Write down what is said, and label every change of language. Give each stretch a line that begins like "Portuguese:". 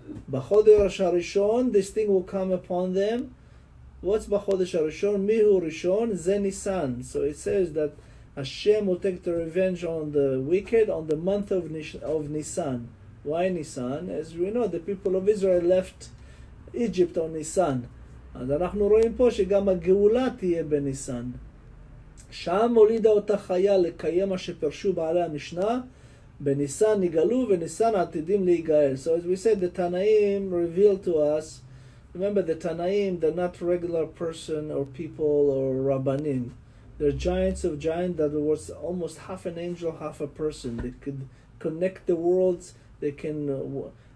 English: Bachodesh HaRishon, this thing will come upon them.
Hebrew: What's Bachodesh HaRishon? Mihu Rishon, Zenisan.
English: So it says that Hashem will take the revenge on the wicked on the month of Nisan. Why Nisan? As we know, the people of Israel left Egypt on Nisan.
Hebrew: אז אנחנו רואים פה שגם הגאולה תהיה בניסן. שם הולידה אותה חיה לקיים מה שפרשו בעלי המשנה, בניסן נגלו וניסן עתידים להיגאל.
English: So as we said, the תנאים revealed to us, remember the תנאים, they're not regular person or people or רבנים. They're giants of giants that was almost half an angel, half a person. They could connect the worlds, they can...